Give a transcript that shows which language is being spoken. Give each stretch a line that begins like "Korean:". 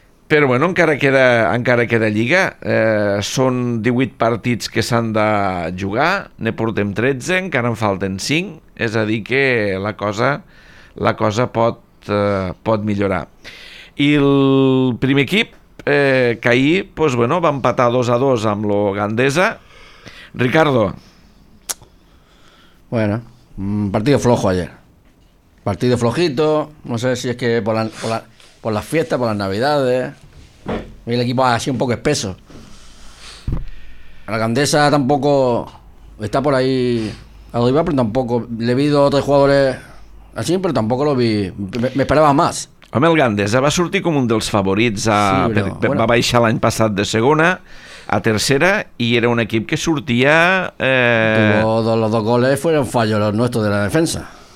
Catalan: Però bueno, encara queda lliga. Són 18 partits que s'han de jugar, ne portem 13, encara en falten 5, és a dir que la cosa pot millorar. I el primer equip, que ahir, pues, bueno, va empatar 2-2 amb lo Gandesa. Ricardo.
Spanish: Bueno, partido flojo ayer. Partido flojito, no sé si es que por las fiestas, por las navidades. Y el equipo ha sido un poco espeso. La Gandesa tampoco está por ahí arriba, pero tampoco. Le he visto a otros jugadores... Así, pero tampoco lo vi, me esperaba más.
Catalan: Home, el Gandesa va sortir com un dels favorits va baixar l'any passat de segona a tercera i era un equip que sortia
Spanish: los dos goles fueron fallos nuestros de la defensa.